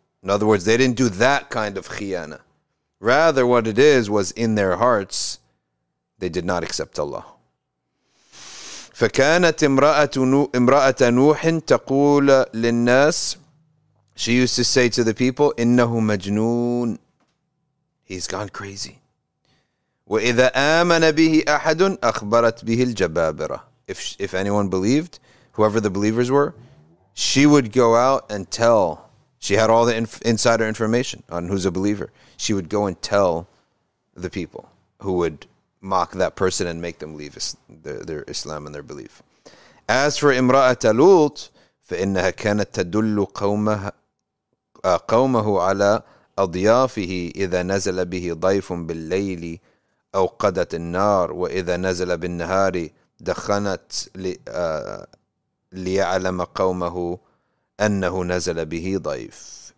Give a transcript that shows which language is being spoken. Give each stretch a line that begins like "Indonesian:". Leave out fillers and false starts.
English: In other words, they didn't do that kind of khiyana. Rather, what it is was in their hearts, they did not accept Allah.
Arabic: فكانت امرأة نوح تقول للناس.
English: She used to say to the people,
Arabic: "Innahu majnoon,
English: he's gone crazy."
Arabic: وَإِذَا آمَنَ بِهِ أَحَدٌ أَخْبَرَتْ بِهِ الْجَبَابِرَةُ.
English: If anyone believed, whoever the believers were, she would go out and tell. She had all the insider information on who's a believer. She would go and tell the people who would mock that person and make them leave their Islam and their belief. As for
Arabic: إِمْرَأَةَ لُوطٍ, فإنها كانت تدل قومه على أضيافه إذا نزل به ضيف بالليل أوقدت النار وإذا نزل بالنهار دخنت ليعلم قومه أنه نزل به ضيف.